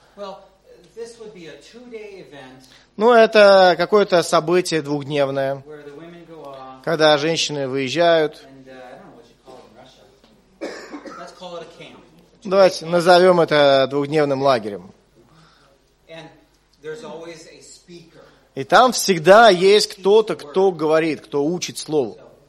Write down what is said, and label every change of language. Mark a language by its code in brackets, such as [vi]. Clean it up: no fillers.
[en] Well, this would be a two-day event. [ru] Это какое-то событие двухдневное, [en] where the women go off, [ru] когда женщины выезжают. [en] And, I don't know what you call it in Russia. Let's call it a camp. [ru] Давайте назовем это двухдневным лагерем. [en] And there's always a speaker. [ru] И там всегда есть кто-то, кто говорит, кто учит слово.